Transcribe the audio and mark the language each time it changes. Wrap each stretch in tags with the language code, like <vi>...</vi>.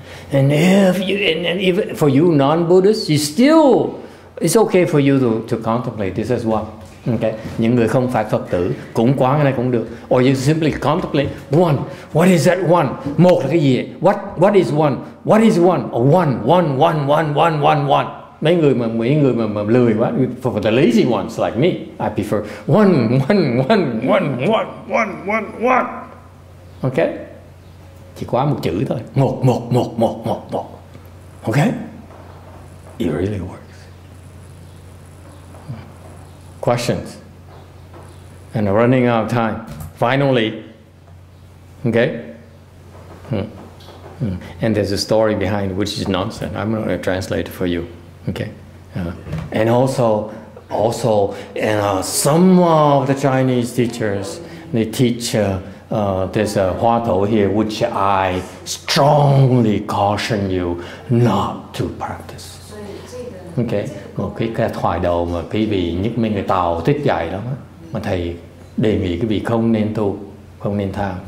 <en>And if you, and if for you non-Buddhists, you still, it's okay for you to contemplate this as well. Okay.</en> <vi>Những người không phải Phật tử cũng quán cái này cũng được.</vi> <en>Or you simply contemplate one. What is that one?</en> <vi>Một là cái gì?</vi> <en>What is one? What is one? Or one, one, one, one, one, one, one.</en> <vi>Mấy người mà lười quá.</vi> <en>For the lazy ones like me, I prefer one, one, one, one, one, one, one, one.</en> <vi>Okay. Chỉ quá một chữ thôi. Một, một, một, một, một, một. Okay?</vi> <en>It really works. Questions? And I'm running out of time. Finally. Okay? And there's a story behind which is nonsense. I'm going to translate it for you. Okay? And also, and some of the Chinese teachers, they teach... there's a HuaTou here which I strongly caution you not to practice.</en> <vi>Okay, một cái thoại đầu mà quý vị nhất mấy người Tàu thích dạy lắm á, mà thầy đề nghị quý vị không nên tu, không nên tham,</vi>